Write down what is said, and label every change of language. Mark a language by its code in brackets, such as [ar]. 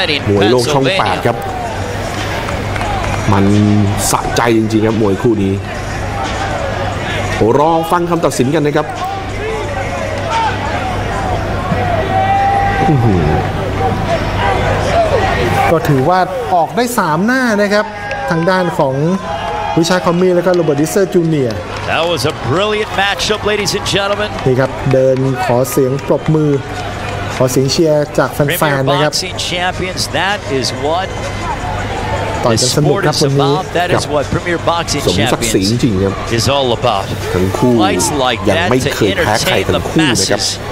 [th] มวยโลกช่อง8ครับมันสะใจจริงๆครับมวยคู่นี้โอ้รอฟังคำตัดสินกันนะครับก็ถือว่าออกได้3หน้านะครับทางด้านของวิชาคอมมี่แล้วก็โรเบิร์ตดิสเซอร์จูเนียร์ [en] That was a brilliant matchup ladies and gentlemen [th] นี่ครับเดินขอเสียงปรบมือขอเสียงเชียร์จากแฟนๆนะครับ [en] Boxing Champions that is what [th] ต่อยกันสนุกครับวันนี้ [en] That is what Premier Boxing Champions [th] สมศักดิ์ศรีจริงๆครับ [en] is all about [th] ทั้งคู่ยังไม่เคยแพ้ใครทั้งคู่นะครับ